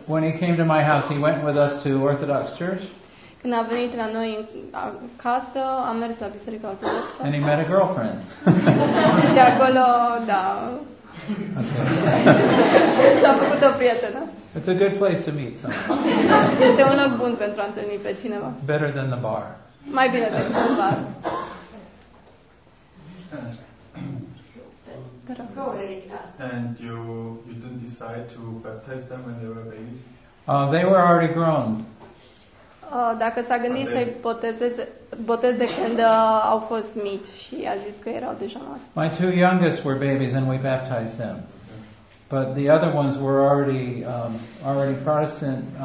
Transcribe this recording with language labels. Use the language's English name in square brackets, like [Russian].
[English] When he came to my house, he went with us to Orthodox Church. [Romanian] Când a venit la noi în casă, a mers la biserica ortodoxă. [English] And he met a girlfriend. [Romanian] Și acolo, da. S-a făcut o prietenă. [English] It's a good place to meet someone. [Romanian] Este un loc bun pentru a întâlni pe cineva. [English] Better than the bar. [Romanian] Mai bine decât bar. [English] Go ahead, Erika. And you didn't decide to baptize them when they were babies? They were already grown. [Romanian] Dacă s-a gândit să-i boteze când au fost mici și a zis că erau deja mari. [English] My two youngest were babies and we baptized them. But the other ones were already already Protestant.